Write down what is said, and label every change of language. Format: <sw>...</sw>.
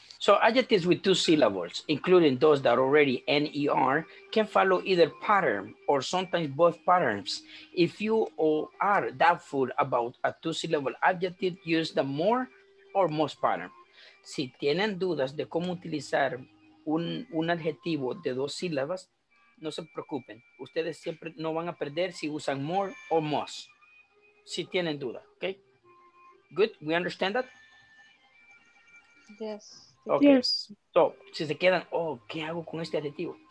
<en>So adjectives with two syllables, including those that already end ER, can follow either pattern or sometimes both patterns. If you are doubtful about a two-syllable adjective, use the more or most pattern.</en> <es>Si tienen dudas de cómo utilizar un adjetivo de dos sílabas, no se preocupen. Ustedes siempre no van a perder si usan</es> <en>more or most.</en> <es>Si tienen duda,</es> <en>okay? Good, we understand that? Yes. Okay. Yes.</en> <es>So, si se quedan, oh, ¿qué hago con este adjetivo?</es>